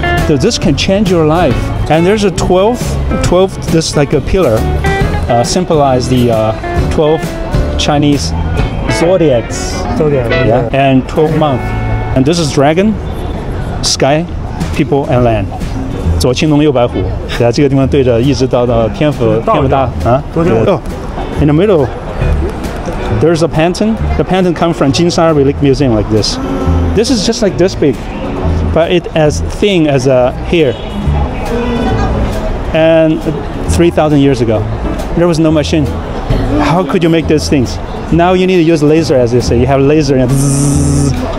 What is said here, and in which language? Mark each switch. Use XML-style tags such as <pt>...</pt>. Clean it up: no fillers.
<en>So this can change your life. And there's a 12 this like a pillar, symbolize the 12 Chinese zodiacs. Zodiac. And 12 months. And this is dragon, sky, people, and land.</en> <zh>左青龙右白虎，在这个地方对着，一直到天府天府大啊。</zh> <en>In the middle, there's a pantheon. The pantheon comes from Jinsha Relic Museum, like this. This is just like this big, but it as thin as a hair. And 3,000 years ago, there was no machine. How could you make those things? Now you need to use laser, as they say. You have laser and zzzz.</en>